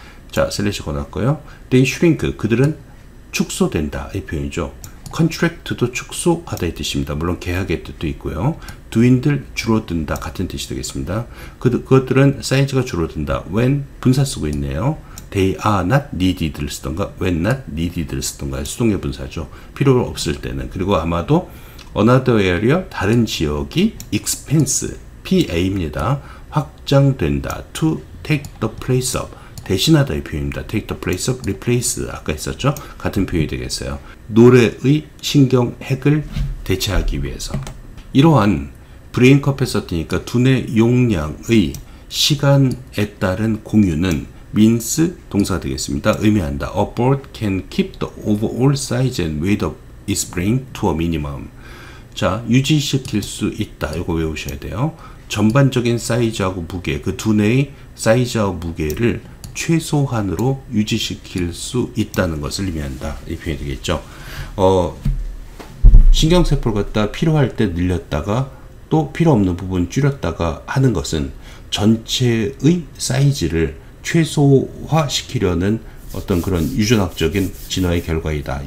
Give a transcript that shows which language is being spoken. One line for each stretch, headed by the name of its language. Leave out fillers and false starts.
Korean: 자, 슬래시 권할고요.
English: They shrink,
Korean: 그들은 축소된다 이 표현이죠. Contract도 축소하다의 뜻입니다. 물론 계약의 뜻도 있고요. 두인들 줄어든다 같은 뜻이 되겠습니다. 그것들은 사이즈가 줄어든다. When 분사 쓰고 있네요.
English: They are not needed를 쓰던가 when not needed를 쓰던가
Korean: 수동의 분사죠. 필요 없을 때는. 그리고 아마도
English: another area,
Korean: 다른 지역이 expense, PA입니다. 확장된다.
English: To take the place of,
Korean: 대신하다의 표현입니다.
English: Take the place of, replace,
Korean: 아까 있었죠? 같은 표현이 되겠어요. 노래의 신경 핵을 대체하기 위해서. 이러한 brain capacity니까 두뇌 용량의 시간에 따른 공유는 means 동사 되겠습니다. 의미한다.
English: A bird can keep the overall size and weight of its brain to a minimum.
Korean: 자, 유지시킬 수 있다. 이거 외우셔야 돼요. 전반적인 사이즈하고 무게, 그 두뇌의 사이즈와 무게를 최소한으로 유지시킬 수 있다는 것을 의미한다. 이 표현이 되겠죠. 신경세포를 갖다 필요할 때 늘렸다가 또 필요 없는 부분 줄였다가 하는 것은 전체의 사이즈를 최소화시키려는 어떤 그런 유전학적인 진화의 결과이다.